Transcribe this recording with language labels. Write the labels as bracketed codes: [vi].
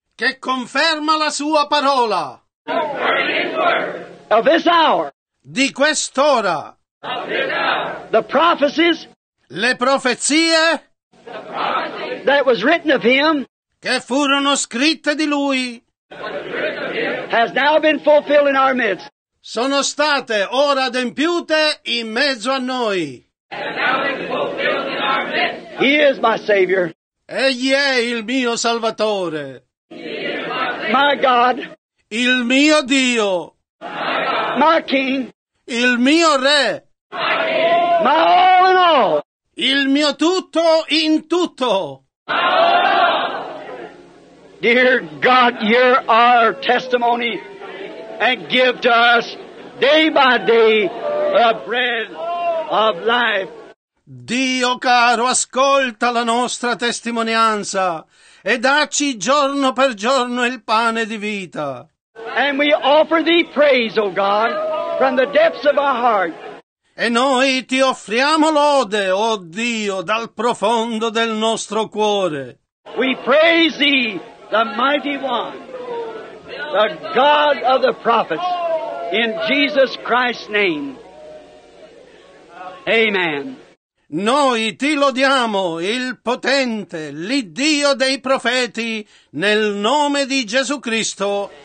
[it] Che conferma la sua parola. [en] Confirming his word. Of this hour. [it] Di quest'ora. [en] Of this hour. The prophecies. [it] Le profezie. [en] The prophecies. That was written of him. [it] Che furono scritte di lui. [en] Has now been fulfilled in our midst. [it] Sono state ora adempiute in mezzo a noi. [en] He is my Savior. [it] Egli è il mio Salvatore. [en] My God. [it] Il mio Dio. [en] My King. [it] Il mio Re. [en] My all in all. [it] Il mio tutto in tutto. [en] Dear God, hear our testimony and give to us day by day the bread of life. [it] Dio caro, ascolta la nostra testimonianza e dacci giorno per giorno il pane di vita. [en] And we offer thee praise, O God, from the depths of our heart. [it] E noi ti offriamo lode, O Dio, dal profondo del nostro cuore. [en] We praise thee, the mighty one, the God of the prophets, in Jesus Christ's name. Amen. [it] Noi ti lodiamo, il potente, l'Iddio dei profeti, nel nome di Gesù Cristo.